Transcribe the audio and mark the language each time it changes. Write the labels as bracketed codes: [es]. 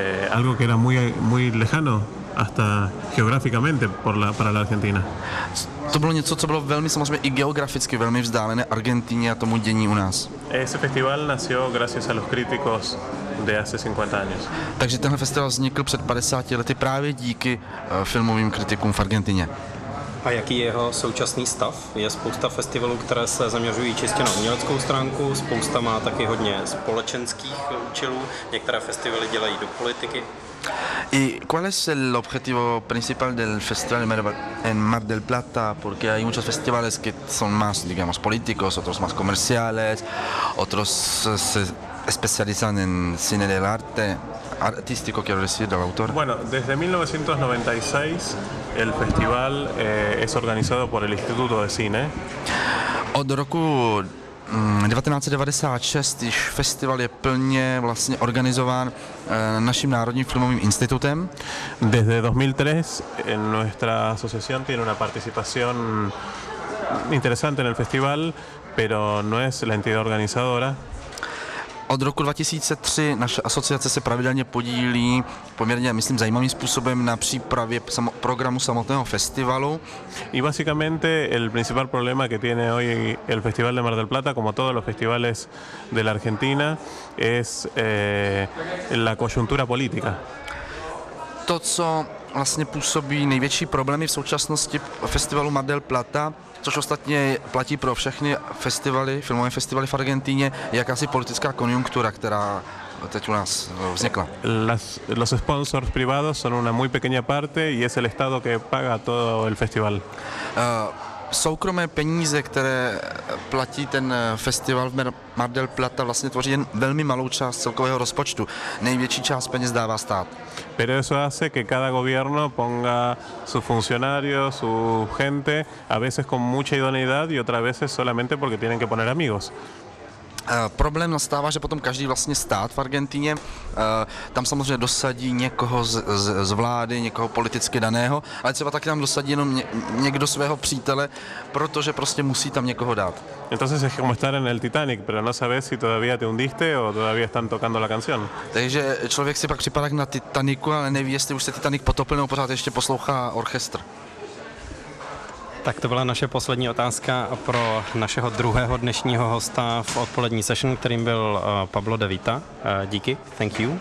[es] Algo que era muy, muy lejano, hasta geográficamente para la Argentina. [cs] To bylo něco, co bylo velmi samozřejmě i geograficky velmi vzdálené Argentině a tomu dění u nás. [es] Ese festival nació gracias a los críticos de hace 50 años. [cs] Takže tenhle festival vznikl před 50 lety právě díky filmovým kritikům v Argentině. A jaký je jeho současný stav? Je spousta festivalů, které se zaměřují čistě na uměleckou stránku, spousta má taky hodně společenských účelů, některé festivaly dělají do politiky. [es] ¿Y cuál es el objetivo principal del festival en Mar del Plata? Porque hay muchos festivales que son más, digamos, políticos, otros más comerciales, otros se especializan en cine del arte, artístico, quiero decir, del autor. Bueno, desde 1996 el festival es organizado por el Instituto de Cine. [cs] Od roku 1996 již festival je plně vlastně organizován naším národním filmovým institutem. [es] Desde 2003 en nuestra asociación tiene una participación interesante en el festival, pero no es la entidad organizadora. [cs] Od roku 2003 naše asociace se pravidelně podílí poměrně, myslím, zajímavým způsobem na přípravě programu samotného festivalu. [es] Y básicamente el principal problema que tiene hoy el Festival de Mar del Plata, como todos los festivales de la Argentina, es la coyuntura política. [cs] To, co vlastně působí největší problémy v současnosti festivalu Mar del Plata, což ostatně platí pro všechny festivaly, filmové festivaly v Argentině, jakási politická konjunktura, která teď u nás vznikla. [es] Los sponsors privados son una muy pequeña parte y es el Estado que paga todo el festival. [cs] Soukromé peníze, které platí ten festival Mar del Plata, vlastně tvoří jen velmi malou část celkového rozpočtu. Největší část peněz dává stát. [es] Pero eso hace que cada gobierno ponga sus funcionarios, su gente, a veces con mucha idoneidad y otras veces solamente porque tienen que poner amigos. [cs] Problém nastává, že potom každý vlastně stát v Argentině tam samozřejmě dosadí někoho z vlády, někoho politicky daného, ale třeba taky tam dosadí jenom někdo svého přítele, protože prostě musí tam někoho dát. [es] Entonces es como estar en el Titanic, pero no sabes si todavía te hundiste o todavía están tocando la canción. [cs] Takže člověk si pak připadá na Titaniku, ale neví, jestli už se Titanic potopil nebo pořád ještě poslouchá orchestr. Tak to byla naše poslední otázka pro našeho druhého dnešního hosta v odpolední session, kterým byl Pablo De Vita. Díky. [en] Thank you.